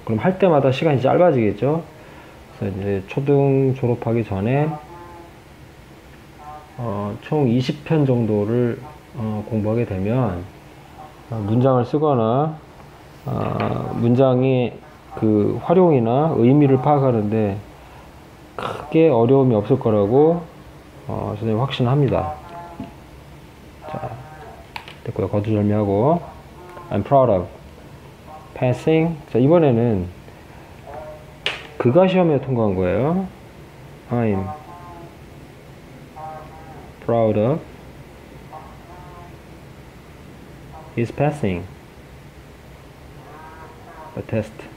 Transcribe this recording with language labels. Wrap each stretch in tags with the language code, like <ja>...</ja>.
<ko>그럼 할 때마다 시간이 짧아지겠죠? 이제 초등 졸업하기 전에 총 20편 정도를 공부하게 되면 문장을 쓰거나 문장의 그 활용이나 의미를 파악하는데 크게 어려움이 없을 거라고 선생님 확신합니다. 됐고요. 거두절미하고</ko> <en>I'm proud of passing.</en> <ko>자, 이번에는 그가 시험에 통과한 거예요.</ko> <en>I'm proud of his passing a test.</en>